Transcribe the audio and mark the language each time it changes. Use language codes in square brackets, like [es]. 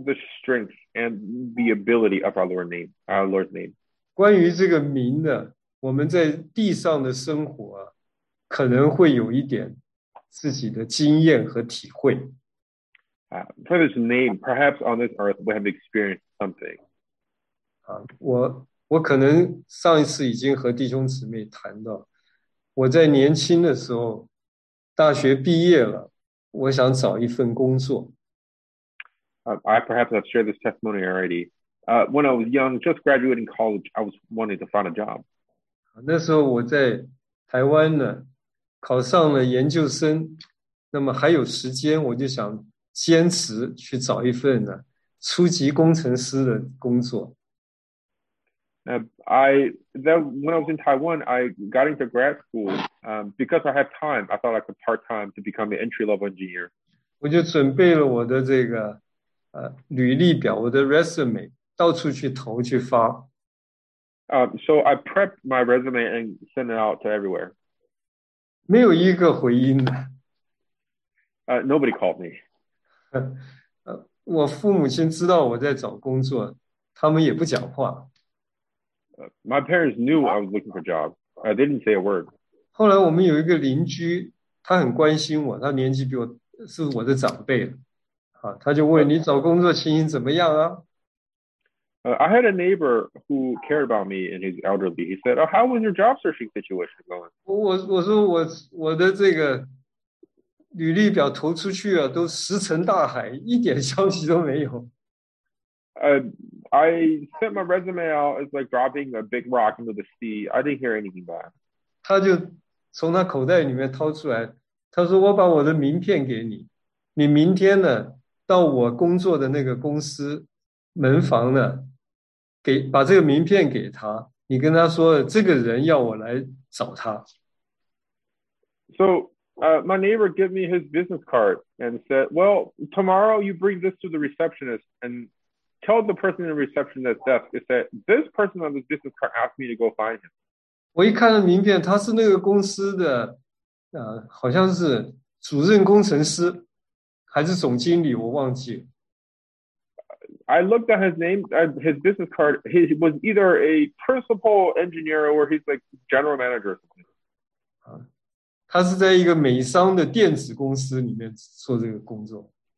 [en] the strength and the ability of our Lord's name. Our Lord's name. [zh] 关于这个名的，我们在地上的生活，可能会有一点自己的经验和体会。 [en] For this name, perhaps on this earth we have experienced something. [zh] 我可能上一次已经和弟兄姊妹谈到，我在年轻的时候，大学毕业了，我想找一份工作。 [en] I perhaps have shared this testimony already. When I was young, just graduating college, I was wanting to find a job. [zh] 那时候我在台湾呢，考上了研究生，那么还有时间，我就想坚持去找一份呢初级工程师的工作。 [en] When I was in Taiwan, I got into grad school. Because I had time, I thought I could part time to become an entry level engineer. [zh] 我就准备了我的这个履历表，我的 resume， 到处去投去发。 [en] So I prepped my resume and sent it out to everywhere. [zh] 没有一个回音的。 [en] Nobody called me. [zh] 我父母亲知道我在找工作，他们也不讲话。 [en] My parents knew I was looking for job. I didn't say a word. [zh] 后来我们有一个邻居，他很关心我，他年纪比我是我的长辈了。他就问你找工作情形怎么样啊？ [en] I had a neighbor who cared about me and his elderly. He said, oh, how was your job searching situation going? [zh] 我说我的这个履历表投出去啊，都石沉大海，一点消息都没有。 [en] I sent my resume out. It's like dropping a big rock into the sea. I didn't hear anything back. [zh] 他就从他口袋里面掏出来，他说我把我的名片给你，你明天呢，到我工作的那个公司门房呢，把这个名片给他，你跟他说这个人要我来找他。 [en] So My neighbor gave me his business card and said, well, tomorrow you bring this to the receptionist and tell the person in the receptionist desk that this person on this business card asked me to go find him. [zh] 我一看了名片，他是那个公司的，好像是主任工程师，还是总经理，我忘记。 [en] I looked at his name, his business card. He was either a principal engineer or he's like general manager. [zh] 他是在一个美商的电子公司里面做这个工作。